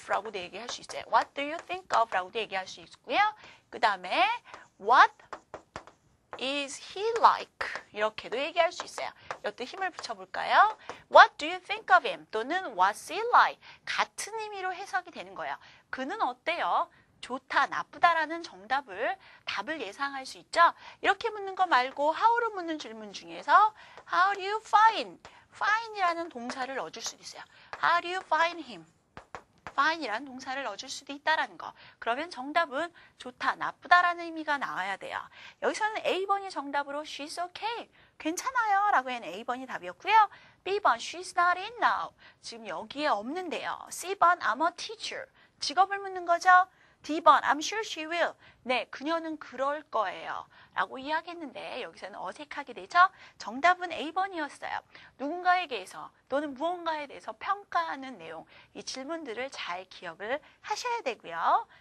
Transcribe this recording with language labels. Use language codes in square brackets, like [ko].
[ko] 라고도 얘기할 수 있어요. [en] What do you think of? [ko] 라고도 얘기할 수 있고요. 그 다음에 [en] What is he like? [ko] 이렇게도 얘기할 수 있어요. 이것도 힘을 붙여볼까요? [en] What do you think of him? 또는 What's he like? [ko] 같은 의미로 해석이 되는 거예요. 그는 어때요? 좋다, 나쁘다라는 정답을, 답을 예상할 수 있죠? 이렇게 묻는 거 말고 how로 묻는 질문 중에서 [en] how do you find? [ko] find이라는 동사를 넣어줄 수도 있어요. [en] how do you find him? [ko] find이라는 동사를 넣어줄 수도 있다라는 거. 그러면 정답은 좋다, 나쁘다라는 의미가 나와야 돼요. 여기서는 A번이 정답으로 [en] she's okay, [ko] 괜찮아요 라고 한 A번이 답이었고요. B번, [en] she's not in now, [ko] 지금 여기에 없는데요. C번, [en] I'm a teacher, [ko] 직업을 묻는 거죠. D번, [en] I'm sure she will. [ko] 네, 그녀는 그럴 거예요. 라고 이야기했는데 여기서는 어색하게 되죠? 정답은 A번이었어요. 누군가에게서 또는 무언가에 대해서 평가하는 내용, 이 질문들을 잘 기억을 하셔야 되고요.